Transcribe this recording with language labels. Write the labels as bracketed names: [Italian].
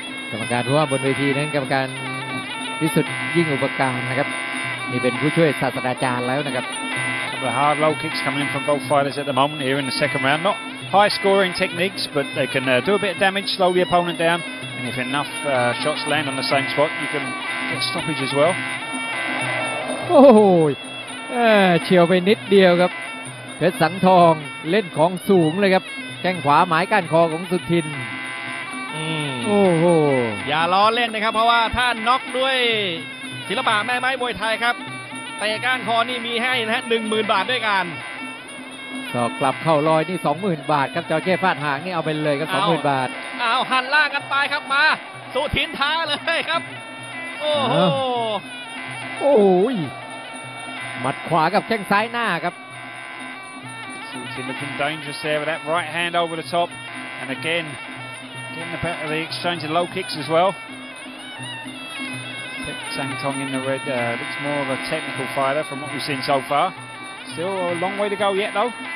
[Thai] กรรมการว่าบนเวทีนั้นกรรมการพิสุทธิ์ยิ่งอุปการนะครับนี่เป็นผู้ช่วยศาสตราจารย์แล้วนะครับ [English] The hard low kicks coming in from both fighters at the moment here in the second round notHigh scoring techniques, but they can do a bit of damage, slow the opponent down. And if enough shots land on the same spot, you can get stoppage as well. Oh, chill [Thai] ไปนิดเดียวครับเพชรสังทองเล่นของสูงเลยครับแข้งขวาหมายก้านคอของสุทินโอ้โห อย่าล้อเล่นนะครับเพราะว่าถ้าน็อกด้วยศิลปะแม่ไม้มวยไทยครับเตะก้านคอนี่มีให้นะฮะ 10,000 บาทด้วยกัน สอกกลับเข้าลอยนี่ 20,000 บาทครับจอเจ้ฟาดหางนี่เอาไปเลยครับ20,000 บาท อ้าวหันล่างกันไปครับมาสุทินท้าเลยครับโอ้ โห โอ้ยหมัดขวากับแข้งซ้ายหน้าครับ สุทินเป็น [English] dangerous there with that right hand over the top and again getting the better of the exchange of low kicks as well Pet Sang Tong in the red looks more of a technical fighter from what we've seen so farStill a long way to go yet, though.